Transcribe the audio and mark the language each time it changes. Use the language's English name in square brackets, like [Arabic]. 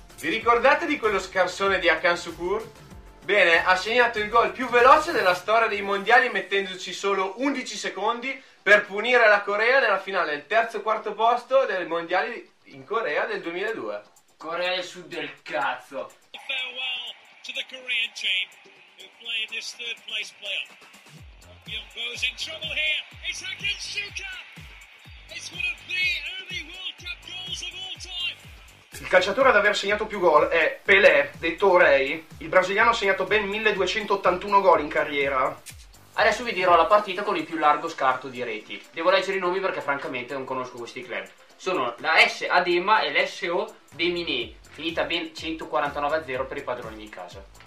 [Italian] Vi ricordate di quello scarsone di Hakan Şükür? Bene, ha segnato il gol più veloce della storia dei mondiali mettendoci solo 11 secondi per punire la Corea nella finale del terzo quarto posto dei mondiali in Corea del 2002. Corea del Sud del cazzo. [English] Farewell to the Korean team who play this third place playoff. Youngbo is in trouble here. It's Hakan Şükür. It's one of the early World Cup goals of all time. [Italian] Il calciatore ad aver segnato più gol è Pelé, detto Rei. Il brasiliano ha segnato ben 1281 gol in carriera. Adesso vi dirò la partita con il più largo scarto di reti. Devo leggere i nomi perché francamente non conosco questi club. Sono la S Ademma e l'SO Deminé, finita ben 149-0 per i padroni di casa.